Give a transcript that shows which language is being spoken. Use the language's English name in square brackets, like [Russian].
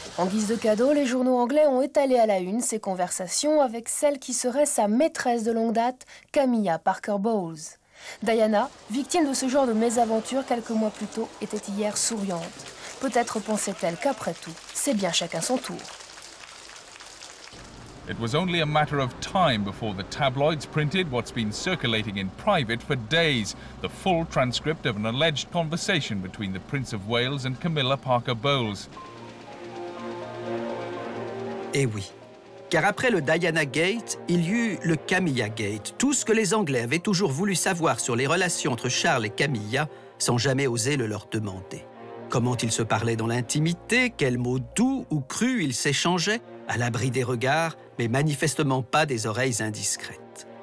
[French] En guise de cadeau, les journaux anglais ont étalé à la une ses conversations avec celle qui serait sa maîtresse de longue date, Camilla Parker Bowles. Diana, victime de ce genre de mésaventure quelques mois plus tôt, était hier souriante. Peut-être pensait-elle qu'après tout, c'est bien chacun son tour. [English] It was only a matter of time before the tabloids printed what's been circulating in private for days, the full transcript of an alleged conversation between the Prince of Wales and Camilla Parker Bowles. [French] Eh oui, car après le Diana Gate, il y eut le Camilla Gate, tout ce que les Anglais avaient toujours voulu savoir sur les relations entre Charles et Camilla, sans jamais oser le leur demander. Comment ils se parlaient dans l'intimité, quels mots doux ou crus ils s'échangeaient, à l'abri des regards, mais manifestement pas des oreilles indiscrètes.